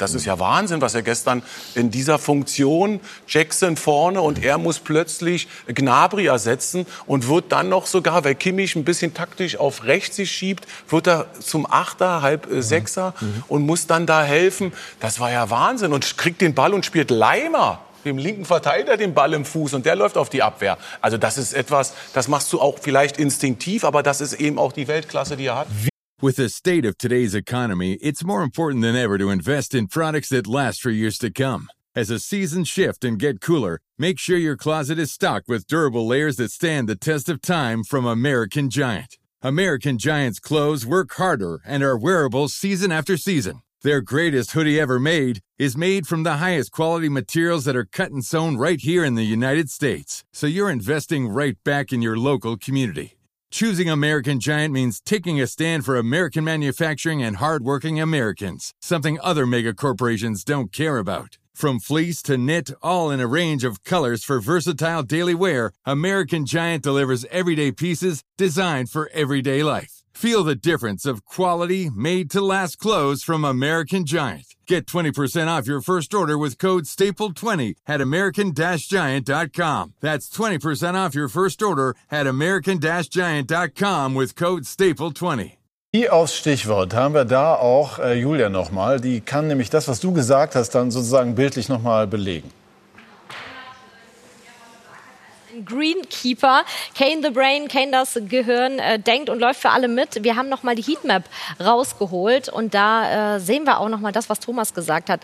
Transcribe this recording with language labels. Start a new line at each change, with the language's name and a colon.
German: Das ist ja Wahnsinn, was er gestern in dieser Funktion, Jackson vorne und er muss plötzlich Gnabry ersetzen und wird dann noch sogar, weil Kimmich ein bisschen taktisch auf rechts sich schiebt, wird er zum Achter, halb Sechser und muss dann da helfen. Das war ja Wahnsinn und kriegt den Ball und spielt Leimer, dem linken Verteidiger, den Ball im Fuß und der läuft auf die Abwehr. Also das ist etwas, das machst du auch vielleicht instinktiv, aber das ist eben auch die Weltklasse, die er hat.
English: With the state of today's economy, it's more important than ever to invest in products that last for years to come. As the seasons shift and get cooler, make sure your closet is stocked with durable layers that stand the test of time from American Giant. American Giant's clothes work harder and are wearable season after season. Their greatest hoodie ever made is made from the highest quality materials that are cut and sewn right here in the United States. So you're investing right back in your local community. Choosing American Giant means taking a stand for American manufacturing and hardworking Americans, something other mega corporations don't care about. From fleece to knit, all in a range of colors for versatile daily wear, American Giant delivers everyday pieces designed for everyday life. Feel the difference of quality, made-to-last clothes from American Giant. Get 20% off your first order with code STAPLE20 at American-Giant.com. That's 20% off your first order at American-Giant.com with code STAPLE20.
German: Wie aufs Stichwort haben wir da auch Julia nochmal. Die kann nämlich das, was du gesagt hast, dann sozusagen bildlich nochmal belegen. Greenkeeper, Kane the Brain, Kane das Gehirn, denkt und läuft für alle mit. Wir haben nochmal die Heatmap rausgeholt und da sehen wir auch nochmal das, was Thomas gesagt hat.